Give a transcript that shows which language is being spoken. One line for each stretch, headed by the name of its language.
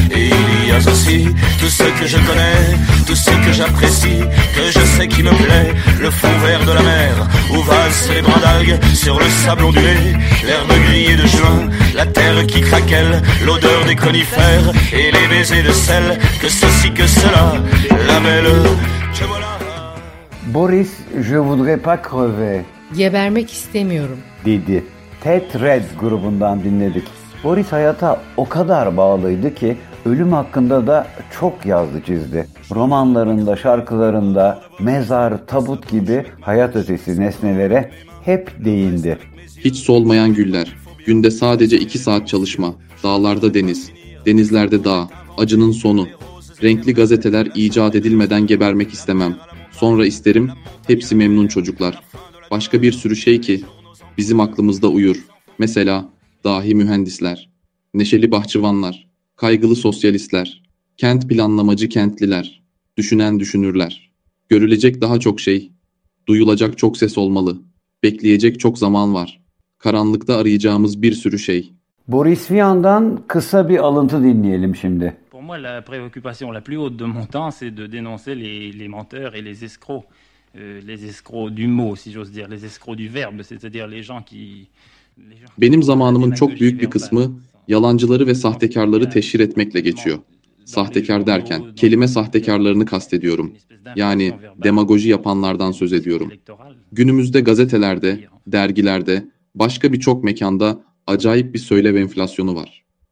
French: Et il y a aussi tout ce que je connais, tout ce que j'apprécie, que je sais qui me plaît, le fond vert de la mer où valsent les brins d'algues sur le sable ondulé, l'herbe grillée de juin, la terre qui craquelle, l'odeur des conifères et les baisers de sel, que ceci que cela, la belle, je voilà. Boris, je voudrais pas crever.
Turkish: Gebermek istemiyorum, dedi. Ted Red grubundan dinledik. Boris hayata o kadar bağlıydı ki ölüm hakkında da çok yazdı, çizdi. Romanlarında, şarkılarında mezar, tabut gibi hayat ötesi nesnelere hep değindi. Hiç solmayan güller, günde sadece 2 saat çalışma, dağlarda deniz, denizlerde dağ, acının sonu, renkli gazeteler icat edilmeden gebermek istemem, sonra isterim, hepsi memnun çocuklar. Başka bir sürü şey ki bizim aklımızda uyur. Mesela dahi mühendisler, neşeli bahçıvanlar, kaygılı sosyalistler, kent planlamacı kentliler, düşünen düşünürler. Görülecek daha çok şey, duyulacak çok ses olmalı, bekleyecek çok zaman var. Karanlıkta arayacağımız bir sürü şey. Boris Vian'dan kısa bir alıntı dinleyelim şimdi.
French: Pour moi, la préoccupation la plus haute de mon temps, c'est de dénoncer les menteurs et les escrocs. Les escrocs du mot, si j'ose dire, les escrocs du verbe, c'est-à-dire les gens qui...
Turkish: Benim zamanımın çok büyük bir kısmı yalancıları ve sahtekarları teşhir etmekle geçiyor. Sahtekar derken kelime sahtekarlarını kastediyorum. Yani demagoji yapanlardan söz ediyorum. Günümüzde gazetelerde, dergilerde, başka birçok mekanda acayip bir söylev enflasyonu var.